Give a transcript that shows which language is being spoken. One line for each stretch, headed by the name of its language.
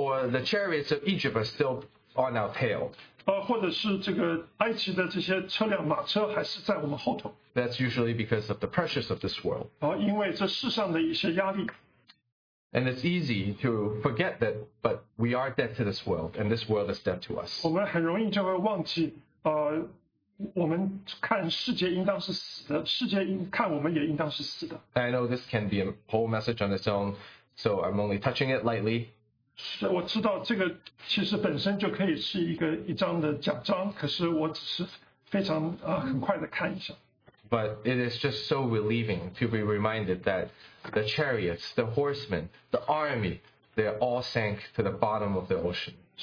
English: Or the chariots of Egypt are still on our tail.
Chinese: 或者是这个埃及的这些车辆马车还是在我们后头。
English: That's usually because of the pressures of this world.
Chinese: 因为这世上的一些压力。
English: And it's easy to forget that, but we are dead to this world, and this world is dead to us.
Chinese: 我们很容易就会忘记，我们看世界应当是死的，世界看我们也应当是死的。
English: I know this can be a whole message on its own, so I'm only touching it lightly.
Chinese: 我知道这个其实本身就可以是一章的讲章，可是我只是非常很快的看一下。
English: But it is just so relieving to be reminded that the chariots, the horsemen, the army, they all sank to the bottom of the ocean.